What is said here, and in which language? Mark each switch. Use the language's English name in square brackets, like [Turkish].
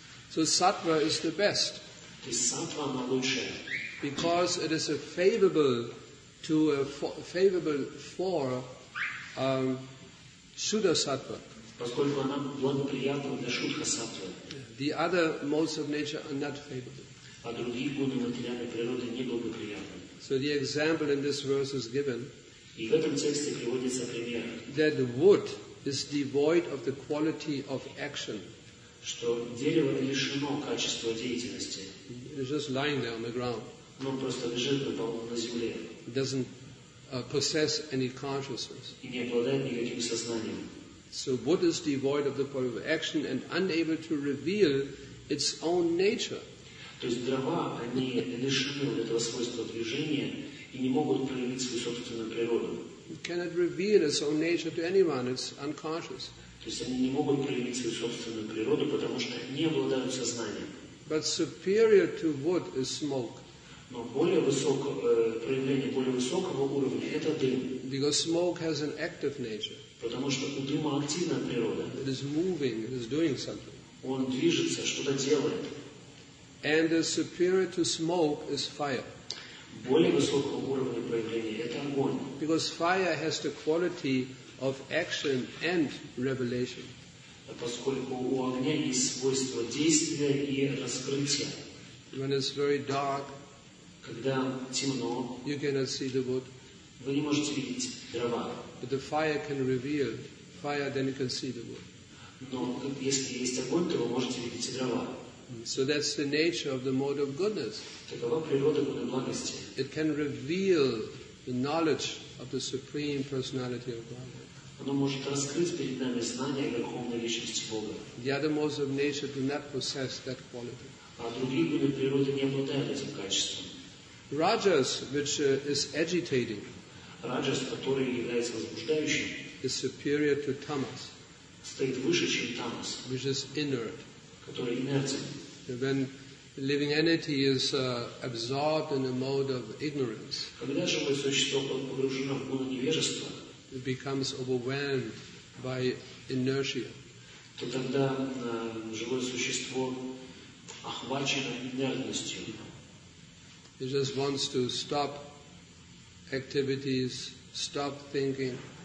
[English] So sattva is the best. [Russian] То есть сатва она лучшая. [English] Because it is a favorable to a favorable for Shuddha-sattva. [Russian] Поскольку она благоприятна для Шудха-саттвы. [English] The other modes of nature are not favorable. [Russian] А другие гуны материальной природы не благоприятны. [English] So the example in this verse is given. [Russian] И в этом тексте приводится пример. [English] That wood is devoid of the quality of action. [Russian] Что дерево лишено качества деятельности. [English] It's just lying there on the ground. [Russian] Но просто лежит на полу на земле. [English] It doesn't possess any consciousness. [Russian] И не обладает никаким сознанием. [English] So wood is devoid of the power of action and unable to reveal its own nature. [Russian] То есть дрова, они лишены вот этого свойства движения и не могут проявить свою собственную природу. [English] It cannot reveal its own nature to anyone. It's unconscious. [Russian] То есть они не могут проявить свою собственную природу, потому что не обладают сознанием. [English] But superior to wood is smoke. [Russian] Но более высокое проявление более высокого уровня – это дым. [English] Because smoke has an active nature. [Russian] Потому что у дыма активная природа. [English] It is moving, it is doing something. [Russian] Он движется, что-то делает. [English] And the superior to smoke is fire. [Russian] Более высокого уровня проявления – это огонь. [English] Because fire has the quality of action and revelation. [Russian] Поскольку у огня есть свойство действия и раскрытия. [English] When it's very dark. [Russian] Когда темно, [English] you cannot see the wood. [Russian] Вы не можете видеть дрова. [English] But the fire can reveal fire, then you can see the wood. [Russian] Но если есть огонь, то вы можете видеть дрова. [English] So that's the nature of the mode of goodness. [Russian] Такова природа гуны благости. [English] It can reveal the knowledge of the Supreme Personality of Godhead. [Russian] Оно может раскрыть перед нами знания Верховной Личности Бога. [English] The other modes of nature do not possess that quality. [Russian] А другие гуны природы не обладают этим качеством. [English] Rajas, which is agitating, [Russian] Rajas, который является возбуждающим, [English] is superior to tamas, [Russian] стоит выше, чем tamas, [English] which is inert, [Russian] который инертен. [English] When living entity is absorbed in a mode of ignorance, [Russian] когда живое существо погружено в гуну невежества, [English] it becomes overwhelmed by inertia. [Russian] То тогда живое существо охвачено инертностью. [English] It just wants to stop activities, stop thinking,